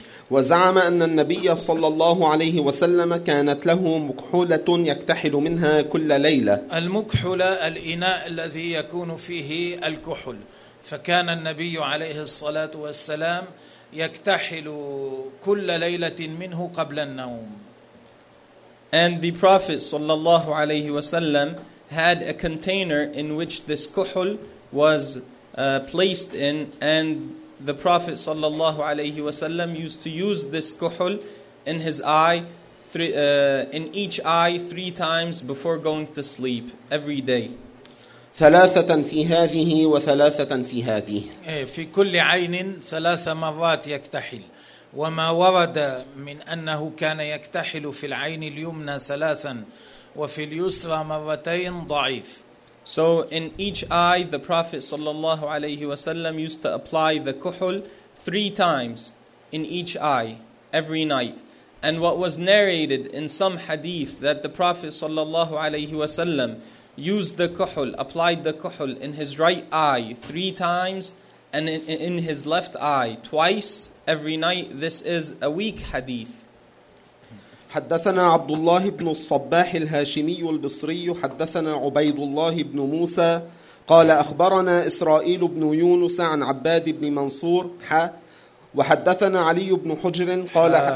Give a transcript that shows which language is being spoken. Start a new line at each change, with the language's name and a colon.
Arabic: وزعم أن النبي صلى الله عليه وسلم كانت له مكحولة يكتحل منها كل ليلة. المكحولة الإناء الذي يكون فيه الكحول، فكان النبي عليه الصلاة والسلام يكتحل كل ليلة منه قبل النوم.
English: And the Prophet صلى الله عليه وسلم had a container in which this كحول was placed in, and the Prophet sallallahu alayhi wasallam used to use this kuhul in his eye, in each eye, three times before going to sleep every day.
Arabic: ثلاثة في هذه وثلاثة في هذه. في كل عين ثلاث مرات يكتحل، وما ورد من أنه كان يكتحل في العين اليمنى ثلاثا وفي اليسرى مرتين ضعيف.
English: So in each eye the Prophet sallallahu alayhi wa sallam used to apply the kuhul three times in each eye every night. And what was narrated in some hadith that the Prophet sallallahu alayhi wa sallam used the kuhul, applied the kuhul in his right eye three times and in his left eye twice every night. This is a weak hadith.
Arabic: حدثنا عبد الله بن الصباح الهاشمي البصري حدثنا عبيد الله بن موسى قال أخبرنا إسرائيل بن يونس عن عباد بن منصور ح وحدثنا علي بن حجر قال